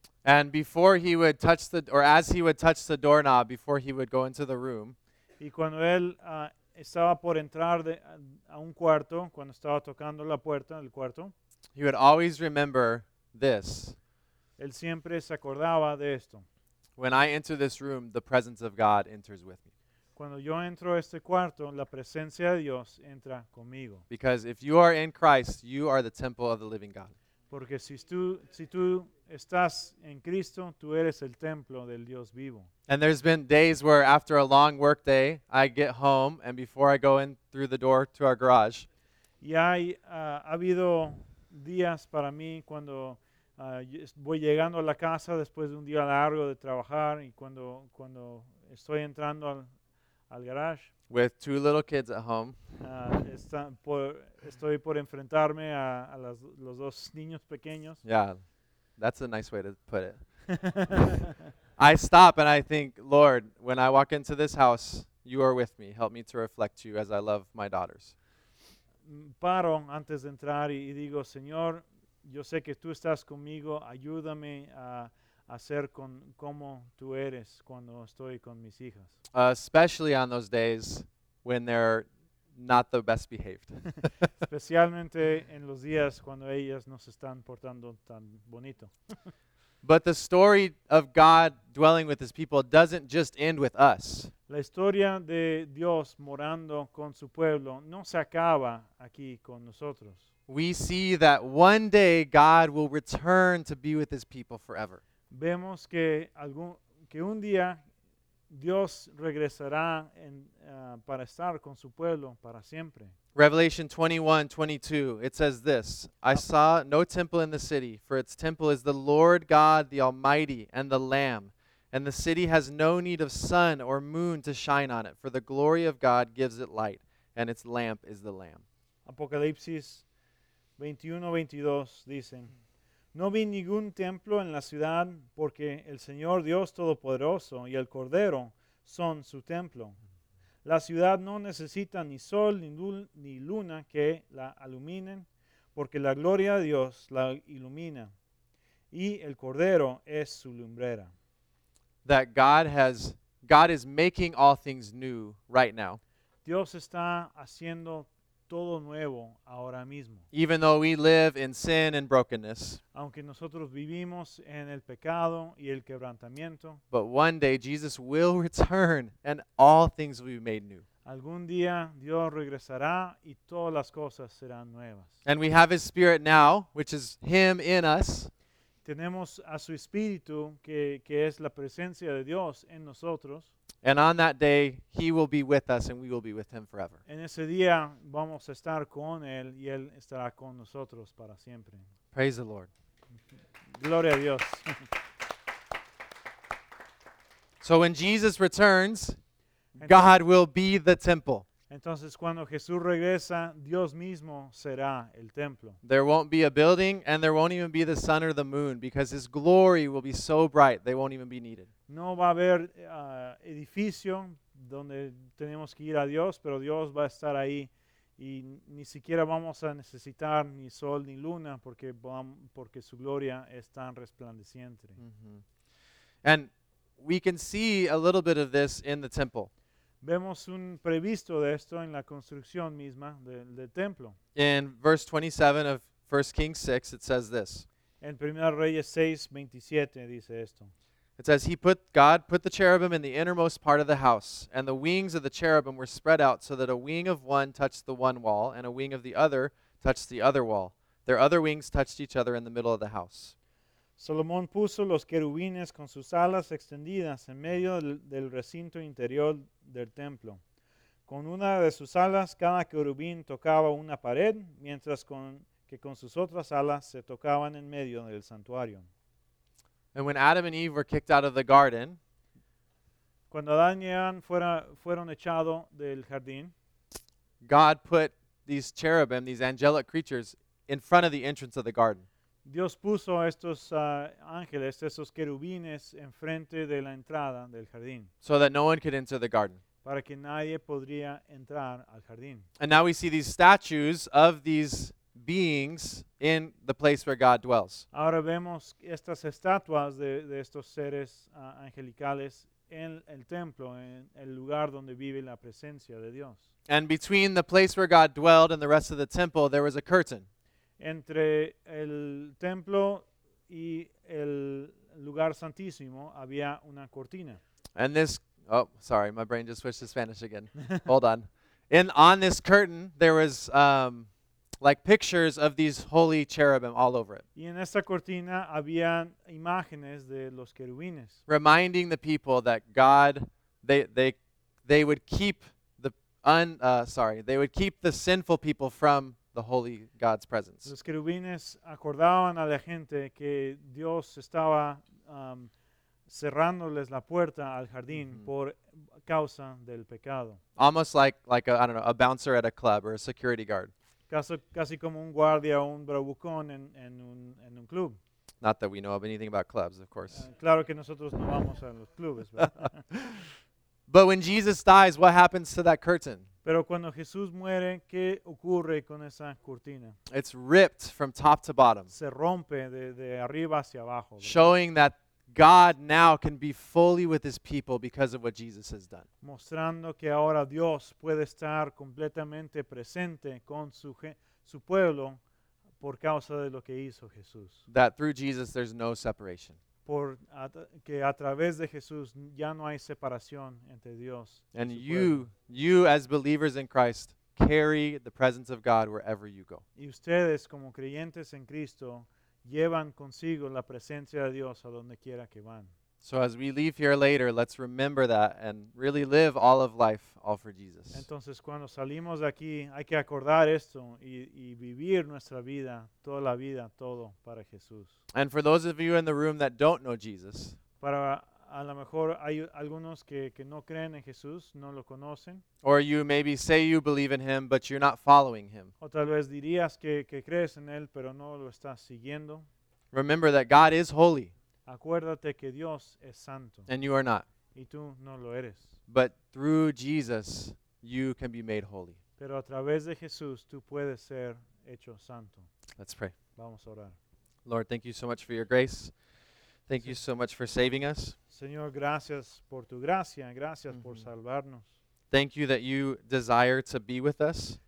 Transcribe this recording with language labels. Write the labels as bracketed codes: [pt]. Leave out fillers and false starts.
[en] And before he would touch as he would touch the doorknob before he would go into the room. [es] Y cuando él estaba por entrar a un cuarto, cuando estaba tocando la puerta del cuarto. [en] He would always remember this. [es] Él siempre se acordaba de esto. [en] When I enter this room, the presence of God enters with me. [es] Cuando yo entro a este cuarto, la presencia de Dios entra conmigo. [en] Because if you are in Christ, you are the temple of the living God. [es] Porque si tú estás en Cristo, tú eres el templo del Dios vivo. [en] And there's been days where after a long work day, I get home and before I go in through the door to our garage. [es] Y hay ha habido días para mí cuando voy llegando a la casa después de un día largo de trabajar y cuando estoy entrando al garage. [en] With two little kids at home. [es] Estoy por enfrentarme a los dos niños pequeños. [en] Yeah, that's a nice way to put it. I stop and I think, Lord, when I walk into this house, you are with me. Help me to reflect you as I love my daughters. [es] Paro antes de entrar y digo, Señor, yo sé que tú estás conmigo. Ayúdame a hacer con cómo tú eres cuando estoy con mis hijas. [en] Especially on those days when they're not the best behaved. [es] Especialmente en los días cuando ellas no se están portando tan bonito. [en] But the story of God dwelling with his people doesn't just end with us. [es] La historia de Dios morando con su pueblo no se acaba aquí con nosotros. [en] We see that one day God will return to be with his people forever. [es] Vemos que un día Dios regresará para estar con su pueblo para siempre. [en] Revelation 21:22, it says this, I saw no temple in the city, for its temple is the Lord God, the Almighty, and the Lamb. And the city has no need of sun or moon to shine on it, for the glory of God gives it light, and its lamp is the Lamb. [es] Apocalipsis 21:22 dicen, no vi ningún templo en la ciudad, porque el Señor Dios Todopoderoso y el Cordero son su templo. La ciudad no necesita ni sol ni luna que la iluminen, porque la gloria de Dios la ilumina, y el Cordero es su lumbrera. [en] That God is making all things new right now. [es] Dios está haciendo todo nuevo ahora mismo. [en] Even though we live in sin and brokenness. [es] Aunque nosotros vivimos en el pecado y el quebrantamiento. [en] But one day Jesus will return and all things will be made new. [es] Algún día Dios regresará y todas las cosas serán nuevas. [en] And we have his spirit now, which is him in us. [es] Tenemos a su espíritu que es la presencia de Dios en nosotros. [en] And on that day, he will be with us and we will be with him forever. [es] En ese día, vamos a estar con él y él estará con nosotros para siempre. [en] Praise the Lord. [es] Gloria a Dios. [en] So when Jesus returns, God will be the temple. [es] Entonces, cuando Jesús regresa, Dios mismo será el templo. [en] There won't be a building and there won't even be the sun or the moon because his glory will be so bright they won't even be needed. [es] No va a haber edificio donde tenemos que ir a Dios, pero Dios va a estar ahí y ni siquiera vamos a necesitar ni sol ni luna porque su gloria es tan resplandeciente. Mm-hmm. [en] And we can see a little bit of this in the temple. [es] Vemos un previsto de esto en la construcción misma del templo. [en] In verse 27 of 1 Kings 6, it says this. [es] En 1 Reyes 6, 27 dice esto. [en] It says, God put the cherubim in the innermost part of the house, and the wings of the cherubim were spread out so that a wing of one touched the one wall, and a wing of the other touched the other wall. Their other wings touched each other in the middle of the house. [es] Salomón puso los querubines con sus alas extendidas en medio del recinto interior del templo. Con una de sus alas, cada querubín tocaba una pared, mientras con sus otras alas se tocaban en medio del santuario. [en] And when Adam and Eve were kicked out of the garden, [es] cuando Adán y Eva fueron echados del jardín, [en] God put these cherubim, these angelic creatures, in front of the entrance of the garden. [es] Dios puso estos ángeles, estos querubines, enfrente de la entrada del jardín. [en] So that no one could enter the garden. [es] Para que nadie podría entrar al jardín. [en] And now we see these statues of these beings in the place where God dwells. [es] Ahora vemos estas estatuas de estos seres angelicales en el templo, en el lugar donde vive la presencia de Dios. [en] And between the place where God dwelled and the rest of the temple, there was a curtain. [es] Entre el templo y el lugar santísimo había una cortina. [en] And this, oh, sorry, my brain just switched to Spanish again. Hold on. And on this curtain, there was like pictures of these holy cherubim all over it. [es] Y en esta cortina habían imágenes de los querubines. [en] Reminding the people that God, they would keep the they would keep the sinful people from the holy God's presence. [es] Los querubines acordaban a la gente que Dios estaba cerrándoles la puerta al jardín por causa del pecado. [en] Almost like a, I don't know, a bouncer at a club or a security guard. [es] Casi como un guardia o un bravucón en un club. [en] Not that we know of anything about clubs, of course. [es] Claro que nosotros no vamos a los clubes. [en] But when Jesus dies, what happens to that curtain? [es] Pero cuando Jesús muere, ¿qué ocurre con esa cortina? [en] It's ripped from top to bottom. [es] Se rompe de arriba hacia abajo. ¿Verdad? [en] Showing that God now can be fully with his people because of what Jesus has done. [es] Mostrando que ahora Dios puede estar completamente presente con su pueblo por causa de lo que hizo Jesús. [en] That through Jesus there's no separation. [es] Que a través de Jesús ya no hay separación entre Dios. [en] And you as believers in Christ carry the presence of God wherever you go. [es] Y ustedes como creyentes en Cristo llevan consigo la presencia de Dios a donde quiera que van. [en] So as we leave here later, let's remember that and really live all of life all for Jesus. [es] Entonces cuando salimos de aquí, hay que acordar esto y vivir nuestra vida, toda la vida, todo para Jesús. [en] And for those of you in the room that don't know Jesus, [es] para a lo mejor hay algunos que no creen en Jesús, no lo conocen. [en] Or you maybe say you believe in him, but you're not following him. [es] O tal vez dirías que crees en él, pero no lo estás siguiendo. [en] Remember that God is holy. [es] Acuérdate que Dios es santo. [en] And you are not. [es] Y tú no lo eres. [en] But through Jesus, you can be made holy. [es] Pero a través de Jesús, tú puedes ser hecho santo. [en] Let's pray. [es] Vamos a orar. [en] Lord, thank you so much for your grace. Thank you so much for saving us. [es] Señor, gracias por tu gracia. Gracias por salvarnos. [en] Thank you that you desire to be with us.